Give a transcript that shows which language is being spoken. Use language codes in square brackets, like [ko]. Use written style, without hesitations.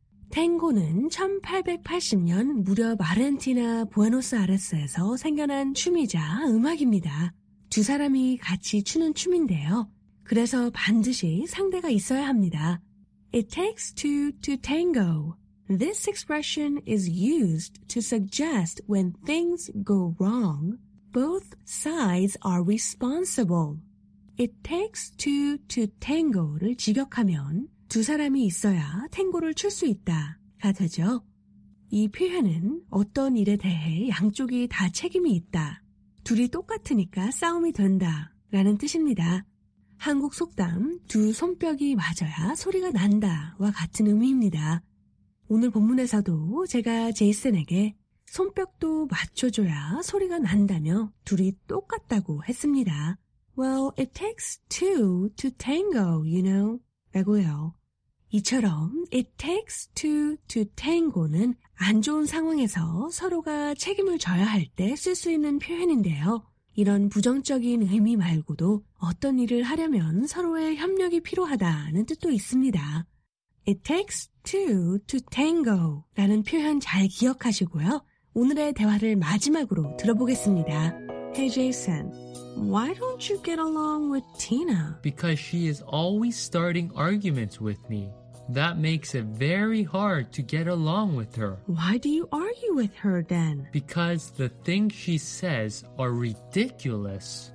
[ko] Tango는 1880년 무려 아르헨티나 부에노스아이레스에서 생겨난 춤이자 음악입니다. 두 사람이 같이 추는 춤인데요. 그래서 반드시 상대가 있어야 합니다. [en] It takes two to tango. This expression is used to suggest when things go wrong, both sides are responsible. It takes two to tango [ko] 를 직역하면 두 사람이 있어야 탱고를 출 수 있다가 되죠. 이 표현은 어떤 일에 대해 양쪽이 다 책임이 있다, 둘이 똑같으니까 싸움이 된다라는 뜻입니다. 한국 속담 두 손뼉이 맞아야 소리가 난다와 같은 의미입니다. 오늘 본문에서도 제가 제이슨에게 손뼉도 맞춰줘야 소리가 난다며 둘이 똑같다고 했습니다. [en] Well, it takes two to tango, you know. [ko] 라고요. 이처럼 [en] it takes two to tango [ko] 는 안 좋은 상황에서 서로가 책임을 져야 할 때 쓸 수 있는 표현인데요. 이런 부정적인 의미 말고도 어떤 일을 하려면 서로의 협력이 필요하다는 뜻도 있습니다. [en] It takes two to tango [ko] 라는 표현 잘 기억하시고요. 오늘의 대화를 마지막으로 들어보겠습니다. [en] Hey Jason, why don't you get along with Tina? Because she is always starting arguments with me. That makes it very hard to get along with her. Why do you argue with her then? Because the things she says are ridiculous.